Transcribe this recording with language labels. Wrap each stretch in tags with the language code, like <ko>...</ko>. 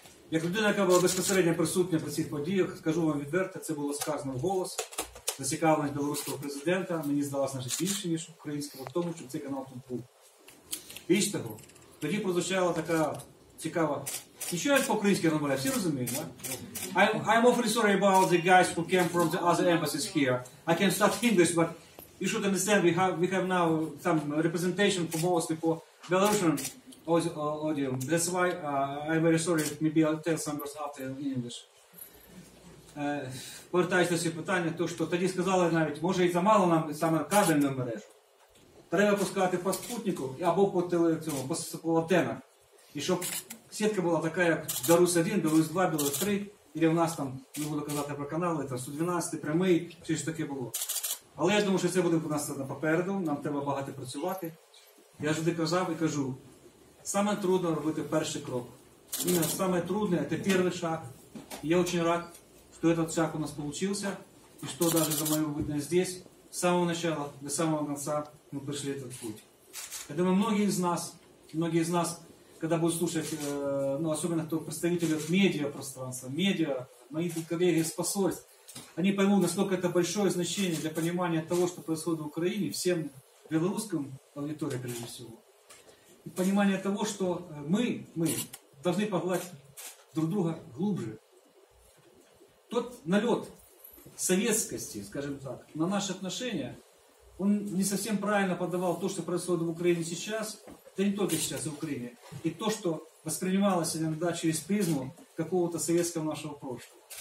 <uk>Як людина, яка була безпосередньо присутня при цих подіях, скажу вам відверто, це було сказано в голос. Зацікавленість білоруського президента, мені здалося навіть більше, ніж українського, в тому, щоб цей канал тут був. Більше того, тоді прозвучала така цікава. Нічого як по-українськи розмовляю, всі розуміють, так?</uk> <ru>Да?</ru> <en>I'm awfully sorry about the guys who came from the other embassies here. I can start English, but you should understand, we have now some representation for mostly for Belarusian audience. That's why I'm very sorry, maybe I'll tell some words after in English.</en> <uk>Повертаюся до цього питання, то, що тоді сказали навіть, може і замало нам саме кабельну мережу. Треба пускати по спутнику або по телевізору, по антенах. І щоб сітка була така, як Білорусь-1, Білорусь-2, Білорусь-3, і в нас там, не буду казати про канали, там 112, прямий, все ж таке було. Але я думаю, що це буде у нас попереду, нам треба багато працювати. Я завжди казав і кажу, саме трудно робити перший крок. Іменно саме трудне, це перший шаг. Я дуже рад, що цей шаг у нас вийшов, і що навіть за моєю видно тут, з самого початку до самого кінця ми прийшли цей путь. Я думаю, многі з нас, коли будуть слухати, ну, особливо хто представників медіапространства, медіа, мої колеги з посольств, вони поймуть, наскільки це велике значення для розуміння того, що відбувається в Україні, всім білоруським аудиторіям, перш за все. І розуміння того, що ми, повинні поглядати друг друга глибше.</uk> <ru>Тот налет советскости, скажем так, на наши отношения, он не совсем правильно подавал то, что происходит в Украине сейчас, да не только сейчас, в Украине, и то, что воспринималось иногда через призму какого-то советского нашего прошлого.</ru>